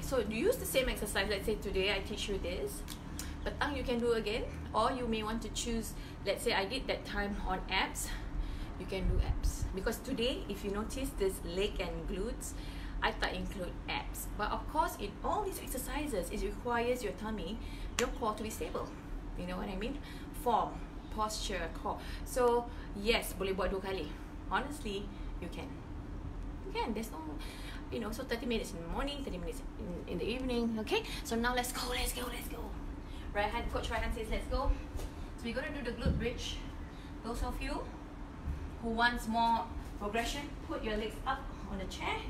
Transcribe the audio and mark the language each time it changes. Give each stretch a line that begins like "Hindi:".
English: So, do you use the same exercise, let's say today I teach you this, petang you can do again, or you may want to choose, let's say I did that time on abs, you can do abs. Because today, if you notice this leg and glutes, I thought include abs. But of course, in all these exercises, it requires your tummy, your core to be stable. You know what I mean? Form. Posture, core. So yes,
Malay: boleh buat dua kali.
English: Honestly, you can. There's no, you know, so 30 minutes in the morning, 30 minutes in the evening. Okay, so now let's go. Right hand, coach right hand says let's go. So we're gonna do the glute bridge. Those of you who wants more progression, put your legs up on the chair.